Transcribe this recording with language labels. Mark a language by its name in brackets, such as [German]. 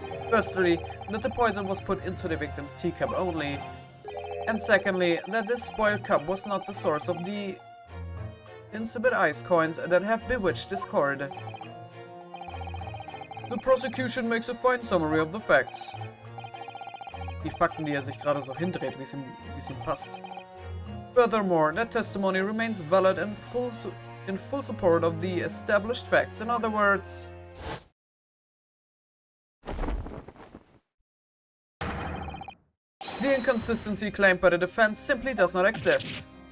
[English] Firstly, that the poison was put into the victim's teacup only. And secondly, that this spoiled cup was not the source of the insipid ice coins that have bewitched this court. The prosecution makes a fine summary of the facts. [German] Die Fakten, die sich gerade so hindreht, wie's ihm passt. [English] Furthermore, that testimony remains valid and in full support of the established facts. In other words, the inconsistency claimed by the defense simply does not exist.